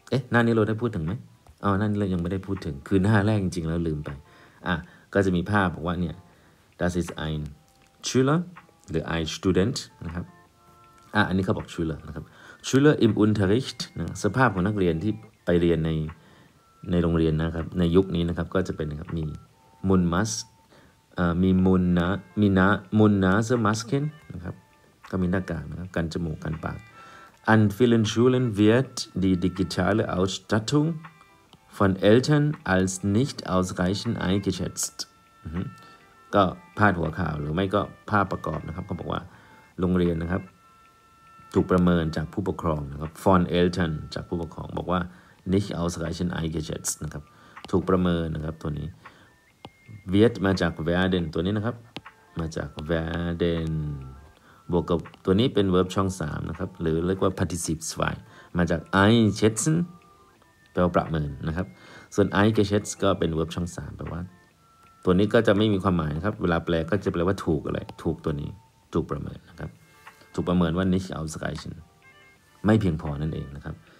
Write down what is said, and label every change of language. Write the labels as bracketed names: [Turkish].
[Thai] หน้านี้เราได้พูดถึงไหมหน้านี้เรายังไม่ได้พูดถึงคือหน้าแรกจริงๆแล้วลืมไปก็จะมีภาพบอกว่าเนี่ย [German] das ist ein Schüler [Thai] หรือ ein Student นะครับอันนี้เขาบอก Schüler นะครับ [German] Schüler im Unterricht [Thai] นะสภาพของนักเรียนที่ไปเรียนในโรงเรียนนะครับในยุคนี้นะครับก็จะเป็นนะครับมี Mun mustมีมุนนะมีนะมุนนะเซอร์มัสเคนนะครับก็มีหน้ากากนะครับกันจมูกกันปาก [German] An vielen Schulen wird die digitale Ausstattung von Eltern als nicht ausreichend eingeschätzt. [Thai] ก็พาดหัวข่าวหรือไม่ก็ภาพประกอบนะครับเขาบอกว่าโรงเรียนนะครับถูกประเมินจากผู้ปกครองนะครับ von Eltern จากผู้ปกครองบอกว่า [German] nicht ausreichend eingeschätzt [Thai] นะครับถูกประเมินนะครับตัวนี้ wird มาจาก werden ตัวนี้นะครับมาจาก werdenบวกกับตัวนี้เป็น verb ช่อง3นะครับหรือเรียกว่า participle 2มาจาก einschätzen แปลว่าประเมินนะครับส่วน eingeschätzt ก็เป็น verb ช่อง3แปลว่าตัวนี้ก็จะไม่มีความหมายครับเวลาแปลก็จะแปลว่าถูกอะไรถูกตัวนี้ถูกประเมินนะครับถูกประเมินว่า [German] nicht ausreichend [Thai] ไม่เพียงพอนั่นเองนะครับ